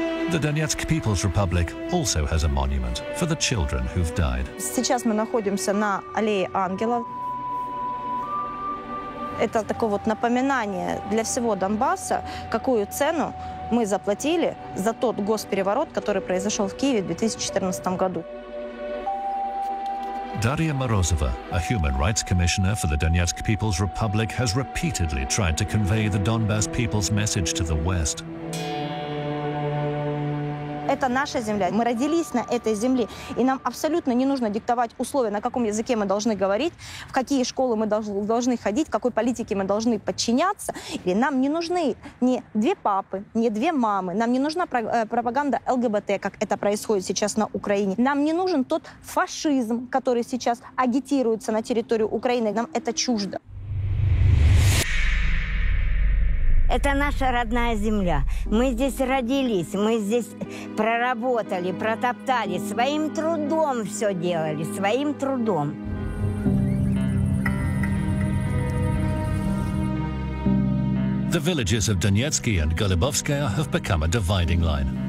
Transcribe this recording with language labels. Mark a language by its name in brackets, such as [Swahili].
[English] The Donetsk People's Republic also has a monument for the children who've died. [Russian] Сейчас мы находимся на аллее ангелов. Это такое вот напоминание для всего Донбасса, какую цену мы заплатили за тот госпереворот, который произошел в Киеве в 2014 году. [English] Дарья Морозова, a human rights commissioner for the Donetsk People's Republic, has repeatedly tried to convey the Donbass people's message to the West. [Russian] Это наша земля. Мы родились на этой земле. И нам абсолютно не нужно диктовать условия, на каком языке мы должны говорить, в какие школы мы должны ходить, какой политике мы должны подчиняться. И нам не нужны ни две папы, ни две мамы. Нам не нужна пропаганда ЛГБТ, как это происходит сейчас на Украине. Нам не нужен тот фашизм, который сейчас агитируется на территорию Украины. Нам это чуждо. Это наша родная земля. Мы здесь родились, мы здесь проработали, протоптали, своим трудом все делали, своим трудом. [English] The villages of Donetsky and Golubovskaya have become a dividing line.